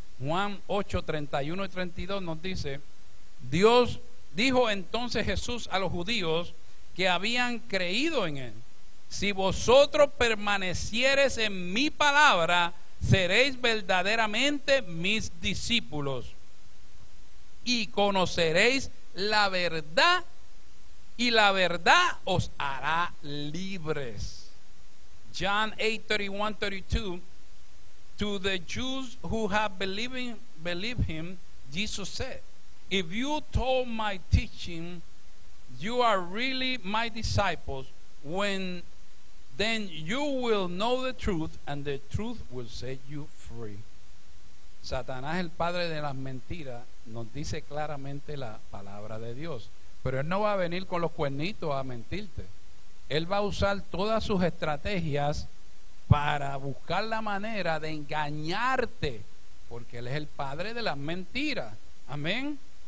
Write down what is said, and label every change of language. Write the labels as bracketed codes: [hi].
[es] Juan 8, 31 y 32 nos dice: Dios dijo entonces Jesús a los judíos que habían creído en él: si vosotros permaneciereis en mi palabra, seréis verdaderamente mis discípulos y conoceréis la verdad, y la verdad os hará libres. [en] John 8:31-32. To the Jews who have believed him, Jesus said, if you told my teaching, you are really my disciples, then you will know the truth, and the truth will set you free. [es] Satanás, el padre de las mentiras, nos dice claramente la palabra de Dios. Pero él no va a venir con los cuernitos a mentirte. Él va a usar todas sus estrategias para buscar la manera de engañarte, porque él es el padre de las mentiras. Amén.